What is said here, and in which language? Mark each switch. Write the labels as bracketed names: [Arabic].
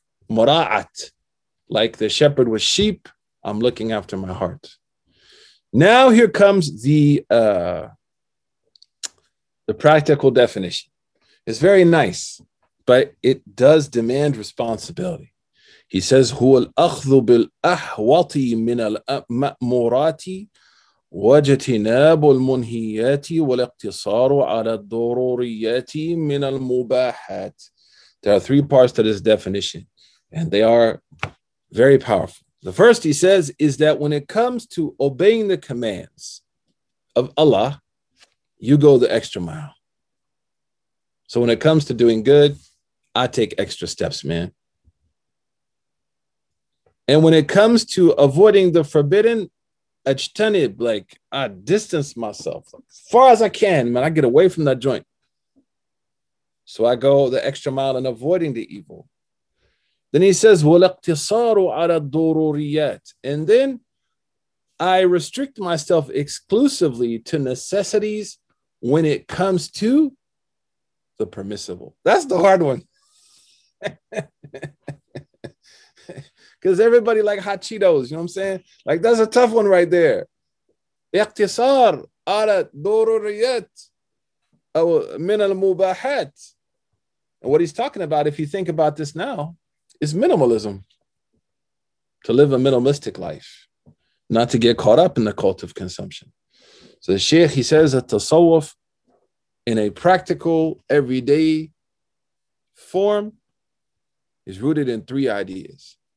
[English] Mura'at, like the shepherd with sheep, I'm looking after my heart. Now here comes the practical definition. It's very nice, but it does demand responsibility. He says, [Arabic] هو الأخذ بالأحوط من المأمورات وجتناب المنهيات والاقتصار على الضروريات من المباحات. [English] There are three parts to this definition, and they are very powerful. The first, he says, is that when it comes to obeying the commands of Allah, you go the extra mile. So when it comes to doing good, I take extra steps, man. And when it comes to avoiding the forbidden, ajtanib, like I distance myself as far as I can, man, I get away from that joint. So I go the extra mile in avoiding the evil. Then he says, [Arabic] وَلَقْتِصَارُ عَلَى الضُّرُورِيَاتِ. [English] And then I restrict myself exclusively to necessities when it comes to the permissible. That's the hard one. Because everybody like hot Cheetos, you know what I'm saying? Like, that's a tough one right there. [Arabic] اقتصار على الضروريات أو من المباحات. [English] And what he's talking about, if you think about this now, is minimalism. To live a minimalistic life. Not to get caught up in the cult of consumption. So the Sheikh, he says that tasawwuf in a practical, everyday form is rooted in three ideas.